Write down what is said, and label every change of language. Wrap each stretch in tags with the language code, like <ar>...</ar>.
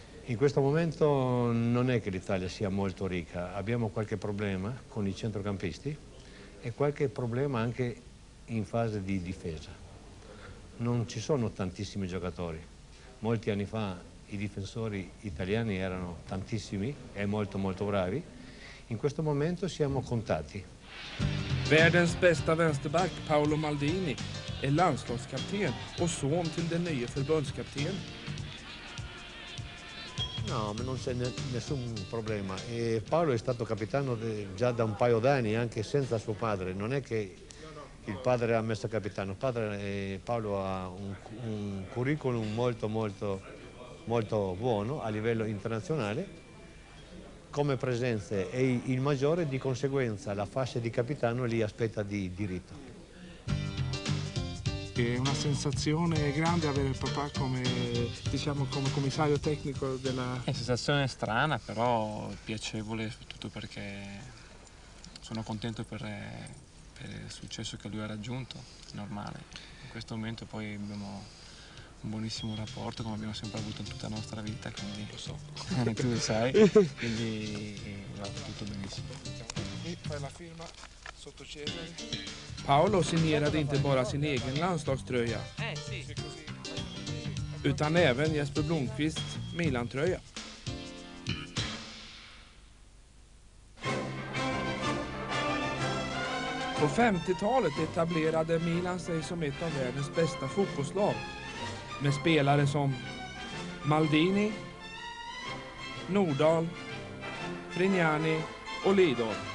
<it>In questo momento non è che l'Italia sia molto ricca, abbiamo qualche problema con i centrocampisti e qualche problema anche in fase di difesa. Non ci sono tantissimi giocatori, molti anni fa i difensori italiani erano tantissimi e molto molto bravi, in questo momento siamo contati.</it> <sv>Världens bästa vänsterback, Paolo Maldini, är landslagskapten och son till den nya förbundskapten.</sv> <it>No, men non c'è nessun problema. Paolo è stato capitano già da un paio d'anni, anche senza suo padre. Non è che il padre ha messo capitano. Padre, Paolo ha un curriculum molto, molto, molto buono a livello internazionale. Come presenze e il maggiore di conseguenza la fascia di capitano li aspetta di diritto. È una sensazione grande avere il papà come, diciamo, come commissario tecnico della... È una sensazione strana, però piacevole soprattutto perché sono contento per il successo che lui ha raggiunto, è normale. In questo momento poi abbiamo un buonissimo rapporto come abbiamo sempre avuto in tutta la nostra vita, quindi lo so, tu lo sai, quindi va tutto benissimo. Qui fai la firma sotto Cesare.</it> <sv>Paolo signerade inte bara sin egen landslagströja, utan även Jesper Blomqvist Milan-tröja. På 50-talet etablerade Milan sig som ett av världens bästa fotbollslag, med spelare som Maldini, Nordahl, Frignani och Lidl.</sv>